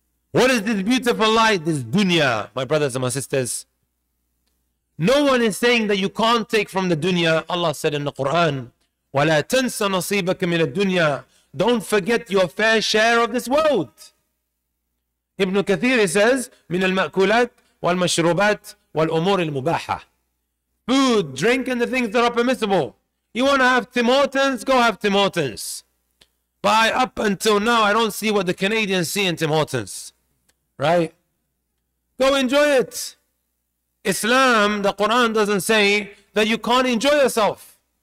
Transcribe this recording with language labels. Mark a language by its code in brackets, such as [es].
[en] What is this beautiful lie? This dunya, my brothers and my sisters. No one is saying that you can't take from the dunya. Allah said in the Quran, [ar] وَلَا تَنْسَ نَصِيبَكَ مِنَ الدُّنْيَا. [en] Don't forget your fair share of this world. Ibn Kathir says, [ar] مِنَ الْمَأْكُولَاتِ وَالْمَشْرُوبَاتِ وَالْأُمُورِ الْمُبَاحَةِ. [en] Food, drink, and the things that are permissible. You want to have Tim Hortons? Go have Tim Hortons. But up until now, I don't see what the Canadians see in Tim Hortons. Right? Go enjoy it. Islam, the Quran doesn't say that you can't enjoy yourself.